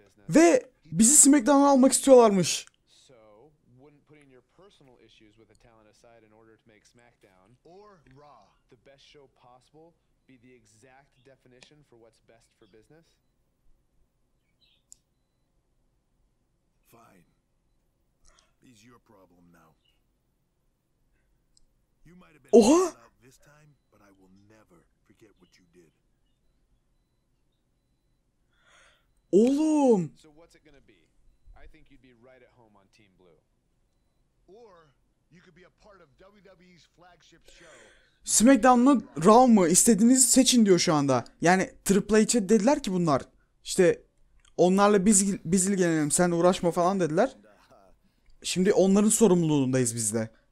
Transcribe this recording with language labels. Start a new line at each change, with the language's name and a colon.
Turkish: Ve bizi SmackDown'a almak istiyorlarmış.
English: So, wouldn't putting your personal issues with the talent aside in order to make SmackDown or Raw the best show possible be the exact definition for what's best for business? Fine. He's your problem now. You might have been
Turkish: Oha!
English: This time, but I will never forget what you did.
Turkish: Oğlum.
English: So what's it gonna be? I think you'd be right at home on Team Blue. Or you could be a part of WWE's flagship show.
Turkish: SmackDown mı, Raw mı istediğinizi seçin diyor şu anda. Yani Triple H'e dediler ki bunlar. İşte onlarla biz ilgilenelim, sen uğraşma falan dediler. Şimdi onların sorumluluğundayız biz de.